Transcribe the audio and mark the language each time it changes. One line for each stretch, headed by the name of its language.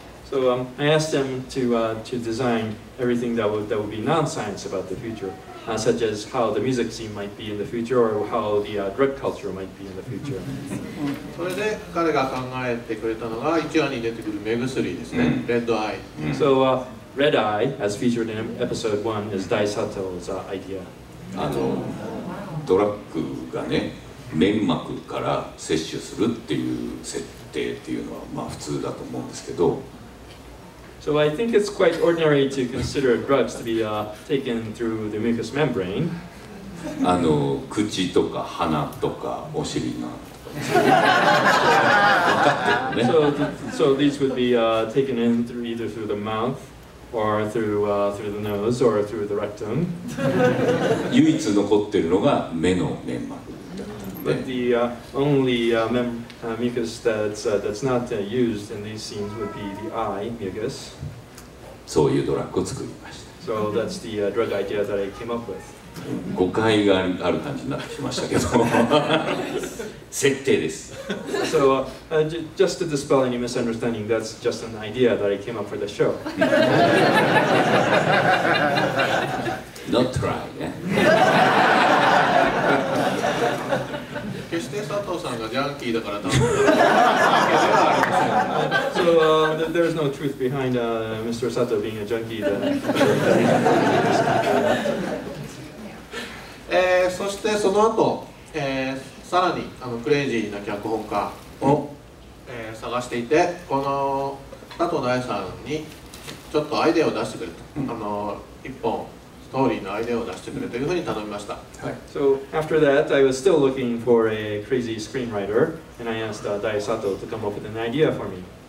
English: So I asked them to design everything that would be non-science about the future, such as how the music scene might be in the future or how the drug culture might be in the future.
Japanese: それで彼が考えてくれたのが1話に出てくる目薬ですね、Red Eye.
English: So Red Eye, as featured in episode 1, is Dai Sato's idea.
Japanese: ドラッグがね、粘膜から摂取するっていう設定っていうのはまあ普通だと思うんですけど。
English: So I think it's quite ordinary to consider drugs to be taken through the mucous membrane.
Japanese: あの口とか鼻とかお尻の。
English: ね、so these would be taken in through either through the mouth or through through the nose or through the rectum.
Japanese: 唯一残ってるのが目の粘膜。
English: But the mucus that's not used in these scenes would be the eye mucus.
Japanese: そういうドラッグを作りました。
English: So that's the drug idea that I came up with.
Japanese: 誤解がある感じになってきましたけど。設定です。
English: So, just to dispel any misunderstanding, that's just an idea that I came up for the show. Not try, ね。
Japanese: 決して佐藤さんがジャンキーだから多分。
English: So, there's no truth behind Mr. Sato being a junkie.
Japanese: そしてその後、さらにあのクレイジーな脚本家を、探していて、この佐藤大さんにちょっとアイデアを出してくれと、あの一本ストーリーのアイデアを出してくれというふうに頼みました。はい。
English: So after that, I was still looking for a crazy screenwriter, and I asked Dai Sato to come up with an idea for me.